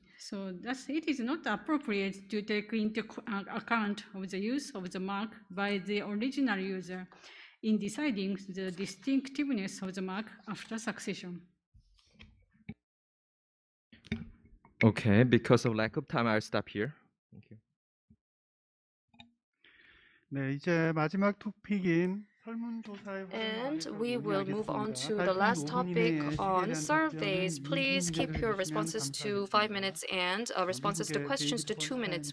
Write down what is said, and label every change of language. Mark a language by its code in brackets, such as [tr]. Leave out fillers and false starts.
[en] So that's, it is not appropriate to take into account of the use of the mark by the original user in deciding the distinctiveness of the mark after succession. Okay, because of lack of time, I'll stop here. Thank you. [ko] 네, 이제 마지막 토픽인 설문조사에 [en] And we will move on to the last topic on surveys. Please keep your responses to 5 minutes and responses to questions to 2 minutes.